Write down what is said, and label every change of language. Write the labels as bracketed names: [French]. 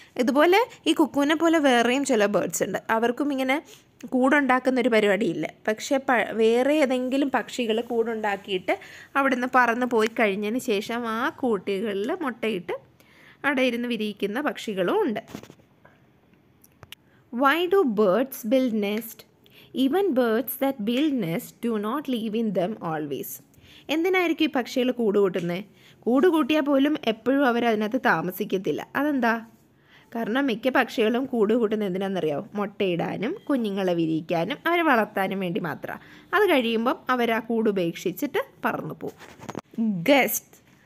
[Malayalam] ഇതുപോലെ ഈ കുക്കുവിനെ പോലെ വേറെയും ചില ബേർഡ്സ് ഉണ്ട്, അവർക്കും ഇങ്ങനെ കൂടുണ്ടാക്കുന്നൊരു പരിപാടിയില്ല. പക്ഷേ വേറെ ഏതെങ്കിലും പക്ഷികൾ കൂടുണ്ടാക്കിയിട്ട് അവിടുന്ന് പറന്ന് പോയി കഴിഞ്ഞതിന് ശേഷം ആ കൂട്ടികളിൽ മുട്ടയിട്ട് അവിടെ ഇരുന്ന് വിരിയിക്കുന്ന പക്ഷികളും ഉണ്ട്. [English] Why do birds build nest? Even birds that build nest do not live in them always. [Malayalam] എന്തിനായിരിക്കും ഈ പക്ഷികൾ കൂട് കൂട്ടുന്നത്? കൂട് കൂട്ടിയാൽ പോലും എപ്പോഴും അവരതിനകത്ത് താമസിക്കത്തില്ല. അതെന്താ? കാരണം മിക്ക പക്ഷികളും കൂട് കൂട്ടുന്നത് എന്തിനാണെന്നറിയോ? മുട്ടയിടാനും കുഞ്ഞുങ്ങളെ വിരിയിക്കാനും അവരെ വളർത്താനും വേണ്ടി മാത്രമാണ്. അത് കഴിയുമ്പം അവർ ആ കൂട് ഉപേക്ഷിച്ചിട്ട് പറന്നു പോകും. ഗസ്റ്റ്.